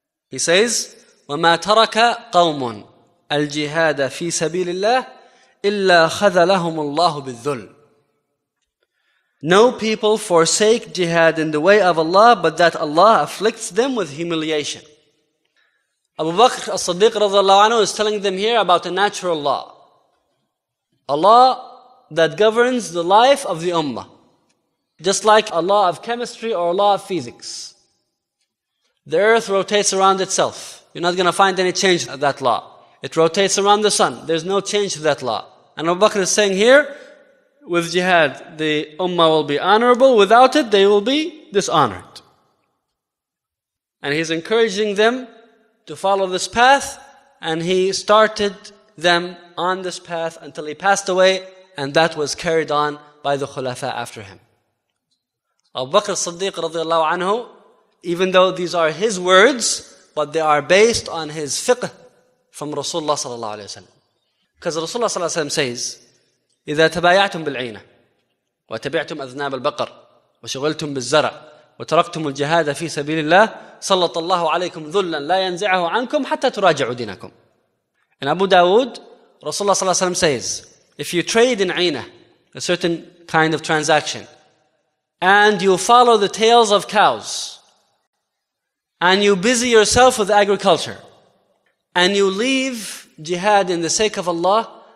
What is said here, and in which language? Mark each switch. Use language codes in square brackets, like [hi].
[en] He says, [ar] وَمَا تَرَكَ قَوْمٌ الْجِهَادَ فِي سَبِيلِ اللَّهِ إِلَّا خَذَلَهُمُ اللَّهُ بِالذُّلِّ. [en] No people forsake jihad in the way of Allah, but that Allah afflicts them with humiliation. Abu Bakr as-Siddiq radiallahu anhu is telling them here about a natural law. A law that governs the life of the ummah. Just like a law of chemistry or a law of physics. The earth rotates around itself. You're not going to find any change to that law. It rotates around the sun. There's no change to that law. And Abu Bakr is saying here, with jihad, the ummah will be honorable. Without it, they will be dishonored. And he's encouraging them to follow this path, and he started them on this path until he passed away, and that was carried on by the Khulafa after him. Abu Bakr as-Siddiq radiallahu anhu, even though these are his words, but they are based on his fiqh from Rasulullah sallallahu alayhi wa sallam. Because Rasulullah sallallahu alayhi wa sallam says, [ar] إِذَا تَبَايَعْتُمْ بِالْعِينَ وَتَبِعْتُمْ أَذْنَابَ الْبَقَرْ وَشُغِلْتُمْ بِالزَّرَعْ وَتَرَكْتُمُ الْجِهَادَ فِي سَبِيلِ اللَّهِ صَلَّطَ اللَّهُ عَلَيْكُمْ ذُلًّا لَا يَنْزِعَهُ عَنْكُمْ حَتَّى تُرَاجِعُوا دِينَكُمْ. [en] In Abu Dawood, Rasulullah sallallahu alayhi wa sallam says, if you trade in عينة, a certain kind of transaction, and you follow the tails of cows, and you busy yourself with agriculture, and you leave jihad in the sake of Allah,